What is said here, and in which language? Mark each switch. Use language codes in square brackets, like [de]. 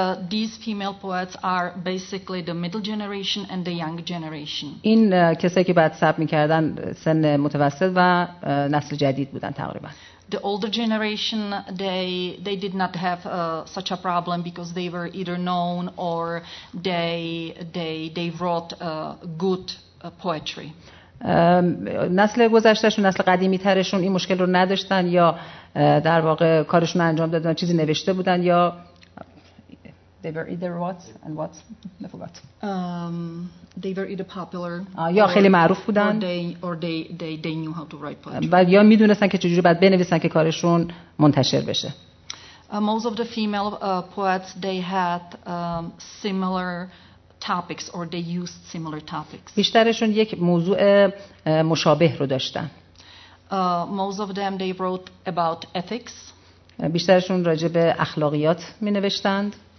[en] these female poets are basically the middle generation and the young generation [fa] این کسایی که بعد صبر می‌کردن سن متوسط و نسل جدید بودن تقریبا [en] The older generation, they did not have such a problem because they were either known or they wrote good poetry. [fa] نسل گذشتهشون، نسل قدیمی ترشون این مشکل رو نداشتن یا در واقع کارشون انجام دادن چیزی نوشته بودن یا [en] they were either what and what I forgot. They were either popular. [fa] یا خیلی معروف بودن. [en] Or they knew how to write poetry. [fa] و یا میدونستن که چجوری باید بنویسن که کارشون منتشر بشه. [en] Most of the female poets they had similar topics or they used similar topics. [fa] بیشترشون یک موضوع مشابه رو داشتن. [en] Most of them they wrote about ethics. [fa] بیشترشون راجع به اخلاقیات می نوشتند.